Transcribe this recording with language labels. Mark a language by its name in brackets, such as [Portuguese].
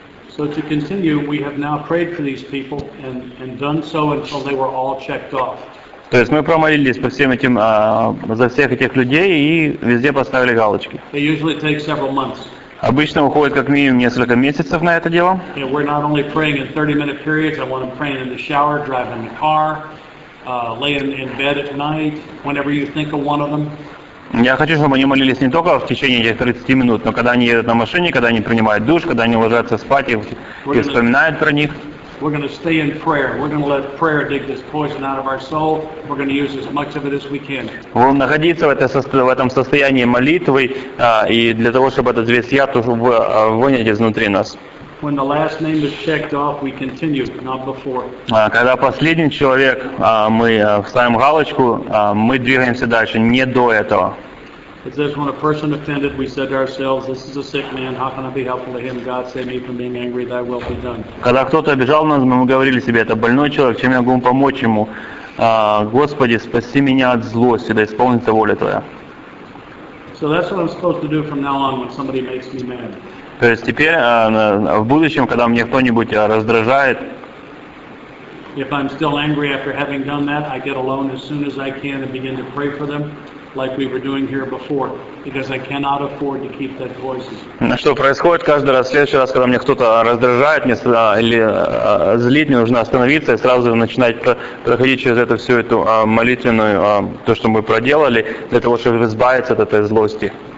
[English] So to continue, we have now prayed for these people and done so until they were all checked off. [Russian] То есть мы помолились по всем этим, за всех этих людей и везде поставили галочки. [English] They usually take several months. [Russian] Обычно уходит как минимум несколько месяцев на это дело. [English] And we're not only praying in 30-minute periods, I want to pray in the shower, driving the car, laying in bed at night, whenever you think of one of them. [Russian] Я хочу, чтобы они молились не только в течение этих 30 минут, но когда они едут на машине, когда они принимают душ, когда они ложатся спать и вспоминают про них. [English] We're going to stay in prayer. We're going to let prayer dig this poison out of our soul. We're going to use as much of it as we can. [Russian] Будем находиться в этом состоянии молитвы, и для того, чтобы этот весь яд вынять изнутри нас. [English] When the last name is checked off, we continue, not before. [Russian] Когда последний человек, мы ставим галочку, мы двигаемся дальше, не до этого. [English] It says, when a person offended, we said to ourselves, this is a sick man, how can I be helpful to him? God save me from being angry, thy will be done. [Russian] Когда кто-то обижал нас, мы говорили себе, это больной человек, чем я могу помочь ему? Господи, спаси меня от злости, да исполнится воля твоя. [English] So that's what I'm supposed to do from now on when somebody makes me mad. [Russian] То есть теперь, в будущем, когда мне кто-нибудь раздражает, [English] if I'm still angry after having done that, I get alone as soon as I can and begin to pray for them, like we were doing here before, because I cannot afford to keep that voice. [Russian] Что происходит каждый раз, в следующий раз, когда мне кто-то раздражает или злит, мне нужно остановиться и сразу начинать проходить через это всю эту молитвенную, то, что мы проделали, для того, чтобы избавиться от этой злости.